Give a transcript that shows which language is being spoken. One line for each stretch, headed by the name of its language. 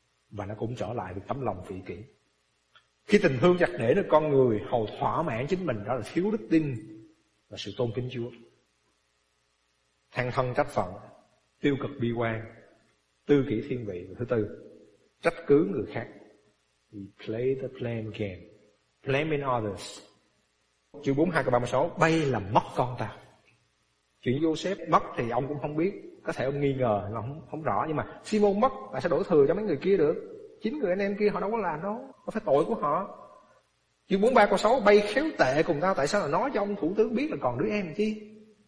Vietnamese: Và nó cũng trở lại được tấm lòng vị kỷ. Khi tình thương chặt để cho con người hầu thỏa mãn chính mình, đó là thiếu đức tin và sự tôn kính Chúa. Thăng thân trách phận, tiêu cực bi quan, tư kỷ thiên vị. Và thứ tư, trách cứ người khác.
English: We play the blame game, blaming others.
Vietnamese: Chương 42:36, bay là mất con ta. Chuyện Joseph mất thì ông cũng không biết, có thể ông nghi ngờ, không rõ. Nhưng mà Simon mất, tại sao đổ thừa cho mấy người kia được? Chính người anh em kia họ đâu có làm đâu, có phải tội của họ. Chương 43:6, bay khéo tệ cùng tao, tại sao là nói cho ông thủ tướng biết là còn đứa em chi?